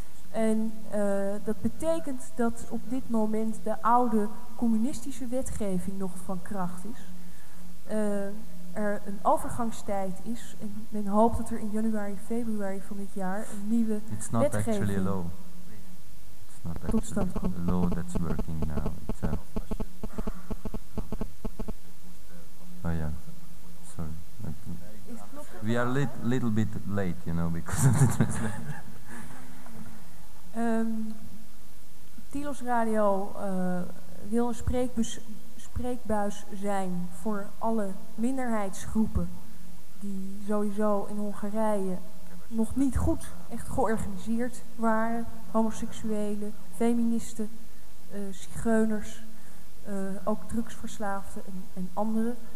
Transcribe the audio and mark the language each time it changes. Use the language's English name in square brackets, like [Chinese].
[Dutch] En dat betekent dat op dit moment de oude communistische wetgeving nog van kracht is. Er een overgangstijd is en men hoopt dat er in januari, februari van dit jaar een nieuwe wetgeving tot stand komt. [English] It's not actually a law that's working now. It's a oh yeah, sorry. We are little bit late, you know, because of the translation. [Dutch] Tilos Radio wil een spreekbuis zijn voor alle minderheidsgroepen die sowieso in Hongarije nog niet goed echt georganiseerd waren. Homoseksuelen, feministen, zigeuners, ook drugsverslaafden en anderen.